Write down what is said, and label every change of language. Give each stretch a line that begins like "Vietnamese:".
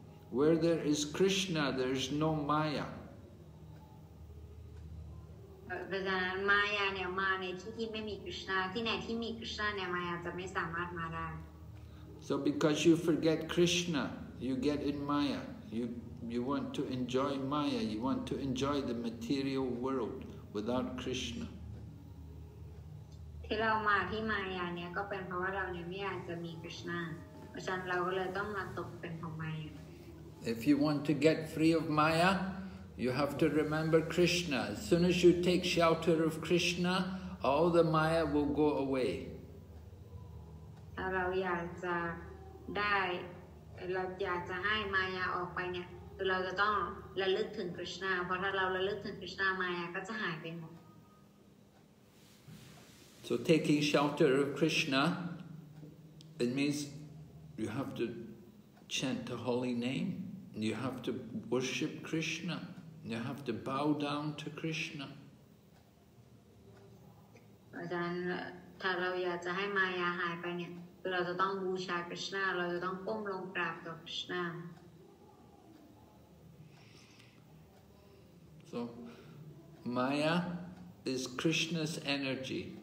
English: Where there is Krishna, there is no Maya.
Thai: เพราะฉะนั้นมายาเนี่ยมาในที่ที่ไม่มีคริสต์นาที่ไหนที่มีคริสต์นาเนี่ยมายาจะไม่สามารถมาได้
English: So because you forget Krishna, you get in Maya. You want to enjoy Maya. You want to enjoy the material world without Krishna.
Thai: ที่เรามาที่มายาเนี่ยก็เป็นเพราะว่าเราเนี่ยไม่อยากจะมีคริสต์นาเพราะฉะนั้นเราก็เลยต้องมาตกเป็นของมายา
English: If you want to get free of Maya, you have to remember Krishna. As soon as you take shelter of Krishna, all the Maya will go away.
Thai: เราอยากจะได้เราอยากจะให้มายาออกไปเนี่ยเราจะต้องระลึกถึงคริสต์นาเพราะถ้าเราระลึกถึงคริสต์นามายาก็จะหายไปหมด
English: So taking shelter of Krishna it means you have to chant the holy name and you have to worship Krishna and you have to bow down to Krishna
Thai: ดังนั้นถ้าเราอยากจะให้มายาหายไปเนี่ยเราจะต้องบูชาคริสต์นาเราจะต้องก้มลงกราบต่อคริสต์นา
English: So Maya is Krishna's energy.